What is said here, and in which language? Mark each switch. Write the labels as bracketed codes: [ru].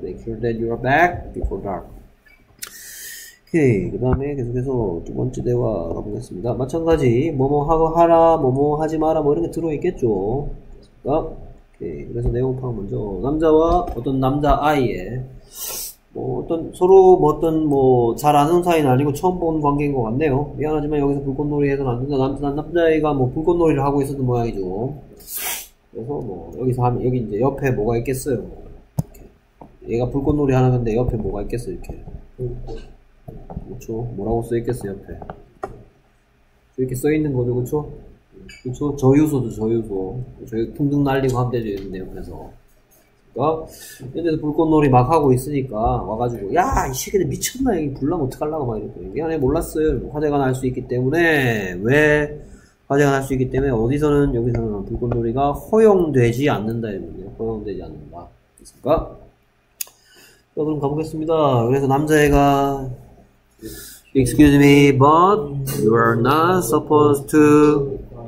[en] Make sure that you are back before dark. [ko] 오케이. 그 다음에 계속해서 두 번째 대화 가보겠습니다. 마찬가지 뭐뭐 하고 하라, 뭐뭐 하지 마라 뭐 이런 게 들어있겠죠. 됐습니까? 그래서 내용 파악 먼저. 남자와 어떤 남자 아이의 뭐 어떤 서로 뭐 어떤 뭐 잘 아는 사이는 아니고 처음 본 관계인 것 같네요. 미안하지만 여기서 불꽃놀이 해서는 안 된다. 남자아이가 뭐 불꽃놀이를 하고 있었던 모양이죠. 그래서 뭐 여기서 하면 여기 이제 옆에 뭐가 있겠어요. 이렇게. 얘가 불꽃놀이 하는 건데 옆에 뭐가 있겠어요. 이렇게 그렇죠. 뭐라고 써 있겠어요. 옆에 이렇게 써 있는 거죠. 그렇죠. 그쵸? 저유소도 저유소. 저유 풍등 날리고 함대도 있는데, 옆에서. 그니까, 이런데서 불꽃놀이 막 하고 있으니까, 와가지고, 야, 이 새끼들 미쳤나? 이 불나면 어떡하려고 막 이랬더니, 미안해, 몰랐어요. 화재가 날 수 있기 때문에, 왜 화재가 날 수 있기 때문에, 어디서는, 여기서는 불꽃놀이가 허용되지 않는다. 이랬는데, 허용되지 않는다. 됐습니까? 자, 그럼 가보겠습니다. 그래서 남자애가, [en] Excuse me, but you are not supposed to,